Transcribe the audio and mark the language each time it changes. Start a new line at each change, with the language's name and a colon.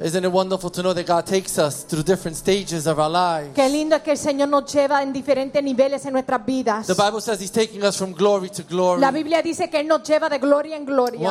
English: Isn't it wonderful to know that God takes us through different stages of our lives?
Spanish: Qué lindo es que el Señor nos lleva en diferentes niveles en nuestras vidas.
English: The Bible says he's taking us from glory to glory.
Spanish: La Biblia dice que él nos lleva de gloria en gloria.